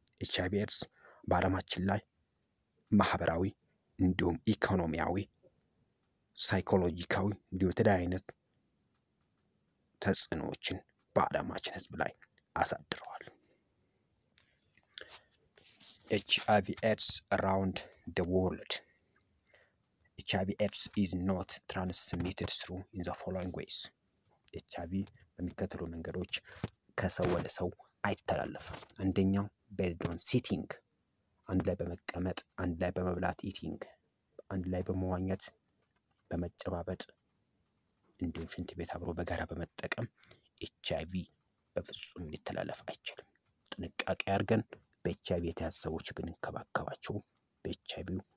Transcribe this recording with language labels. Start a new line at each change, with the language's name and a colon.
Amharic: HIV AIDS በዓለማችን ላይ ማህበራዊ እንዲሁም ኢኮኖሚያዊ ሳይኮሎጂካዊ እንዲሁም ተዳይነት ተጽዕኖዎችን በዓለማችን ህዝብ ላይ አሳድረዋል።
English: HIV AIDS around the world. HIV AIDS is not transmitted through in the following ways.
Amharic: HIV በሚከተሉ መንገዶች ከሰው ወደ ሰው አይተላለፍም። አንደኛው
English: bed on sitting,
Amharic: አንድ ላይ በመቀመጥ አንድ ላይ በመብላት
English: eating,
Amharic: አንድ ላይ በመዋኘት በመጨባበጥ እንዲሁም ሽንት ቤት አብሮ በጋራ በመጠቀም HIV በፍጹም ሊተላለፍ አይችልም። ጥንቃቄ አድርገን በHIV የተያዙ ሰዎች ብንከባከባቸው በHIV